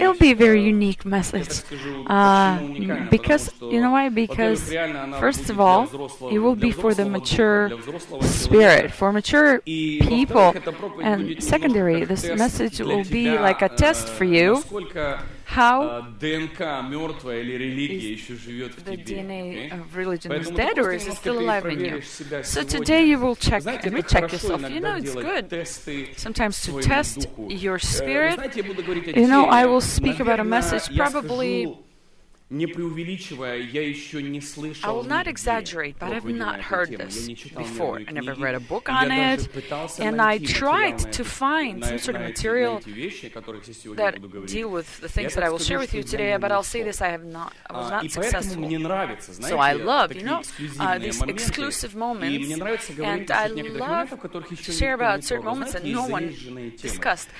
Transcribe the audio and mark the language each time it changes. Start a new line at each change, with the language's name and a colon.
English: It'll be a very unique message. Because you know why? Because first of all, it will be for the mature spirit, for mature people. And secondary, this message will be like a test for you. How
Russian: ДНК мертвая или религия еще живет в тебе?
English: The DNA of religion is dead or is it still alive in you? So today you will check and recheck yourself. You know, it's good sometimes to test your spirit. You know, I will speak about a message probably.
Russian: Не преувеличивая, я еще не слышал.
English: I will not exaggerate, but I've not heard this before. I never read a book on it, and I tried to find some sort of material that deal with the things that I will share with you today. But I'll say this: I was not successful. So I love, you know, these exclusive moments, and I love to share about certain moments that no one discussed.